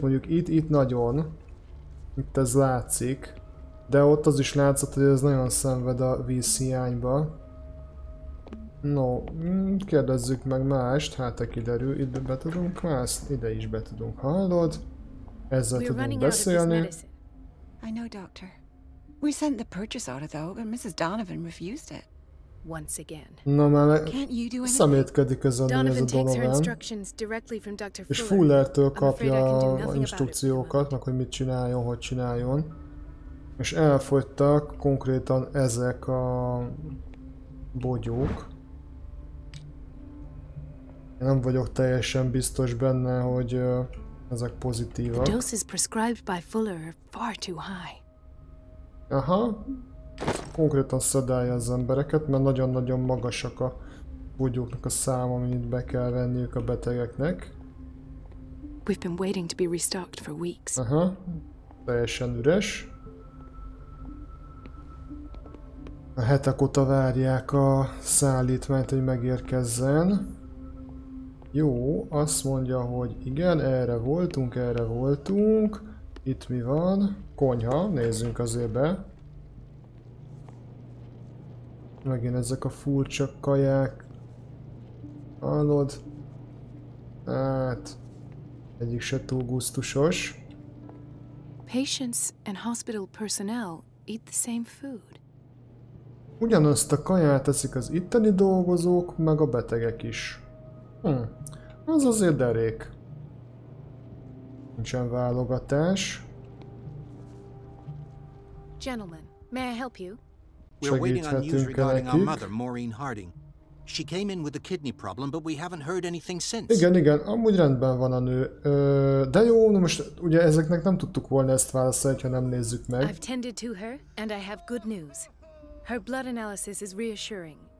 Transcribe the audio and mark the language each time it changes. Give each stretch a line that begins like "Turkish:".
Hungarian: Mondjuk itt nagyon. Itt ez látszik. De ott az is látszott, hogy ez nagyon szenved a vízhiányba. No, kérdezzük meg mást, hát te kiderül, itt be tudunk mászni, ide is be tudunk, hallod? Ezzel tudunk beszélni.
English: I know, doctor. We sent the purchase order though, but Mrs. Donovan refused it. Once again.
Hungarian: Na már szemétkedik ez a nő, ez a Donovan. És Fullertől kapja az instrukciókat, meg hogy mit csináljon, hogy csináljon. És elfogytak konkrétan ezek a bogyók. Nem vagyok teljesen biztos benne, hogy ezek pozitívak.
English: The doses prescribed by Fuller are far too high.
Hungarian: Aha. Konkrétan szedálja az embereket, mert nagyon-nagyon magasak a bogyóknak a száma, amit be kell venniük a betegeknek.
English: We've been waiting to be restocked for weeks.
Hungarian: Aha. Teljesen üres. A hetek óta várják a szállítmányt, hogy megérkezzen. Jó, azt mondja, hogy igen, erre voltunk. Itt mi van? Konyha, nézzünk azért be. Megint ezek a furcsa kaják. Hallod? Hát, egyik se túl gusztusos.
English: Patients and hospital personnel eat the same food.
Hungarian: Ugyanazt a kaját eszik az itteni dolgozók, meg a betegek is. Az azért derék. Nincsen válogatás.
English: Gentlemen, may I help you? We're waiting on news regarding our mother, Maureen Harding. She came in with a kidney problem, but we haven't heard anything since.
Hungarian: Igen, amúgy rendben van a nő. De jó, most ugye ezeknek nem tudtuk volna ezt válaszolni, ha nem nézzük meg.
English: I've tended to her, and I have good news. Her blood analysis is reassuring.